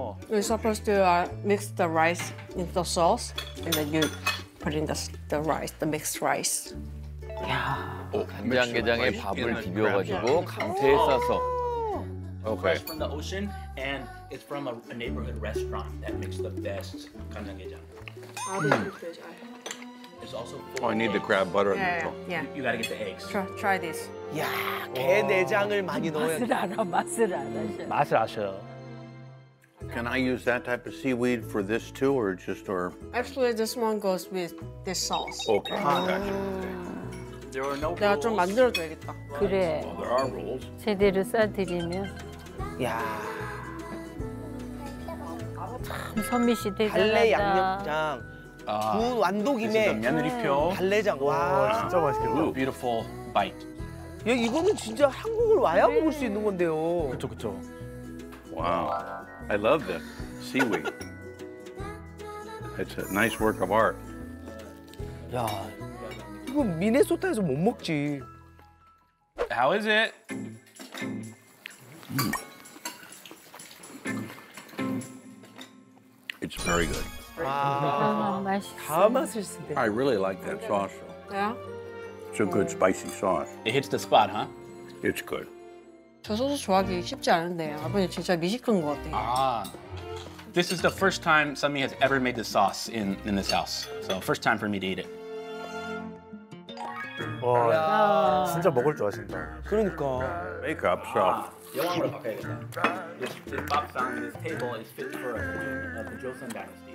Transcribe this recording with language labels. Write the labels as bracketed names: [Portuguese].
[English] You're supposed to mix the rice in the sauce and then you put in the rice, the mixed rice. [Korean] 야, 간장게장에 밥을 비벼가지고 감태에 싸서. [English] Okay. From the ocean and it's from a neighborhood restaurant that makes the best 간장게장. Oh, I need the crab butter in there. You gotta get the eggs. Try this. [Korean] 야, 게 내장을 많이 넣어야 돼. 맛을 알아, 맛을 알아. 맛을 아셔. [English] Can I use that type of seaweed for this too, or just or? Actually, this one goes with this sauce. Okay, gotcha. There are no rules. [Korean] 내가 좀 만들어 줘야겠다. 그래. [English] There are rules. [Korean] 제대로 싸드리면. 야. 참 선미 씨 대단하다. 달래 양념장. 구운 완도김에 달래장. 와, 진짜 맛있겠다. [English] Ooh, beautiful bite. [Korean] 야, 이거는 진짜 한국을 와야 먹을 수 있는 건데요. 그렇죠, 그렇죠. [English] Wow, I love this seaweed. It's a nice work of art. [Korean] 야, 이거 미네소타에서 못 먹지. [English] How is it? It's very good. [Korean] 와, 맛있어. 다 맛을 쓰네. [English] I really like that sauce. Yeah. It's a good spicy sauce. It hits the spot, huh? It's good. [Korean] 저 소스 좋아하기 쉽지 않은데 아버님 진짜 미식가인 것 같아요. [English] 아, this is the first time Sunmi has ever made the sauce in this house. So first time for me to eat it. [Korean] 와, 진짜 먹을 줄 아신다. 그러니까. [English] Make up, so. [Korean] 영화로 바꿔야겠다. [English] This box on this table is fit for a queen of the Joseon dynasty.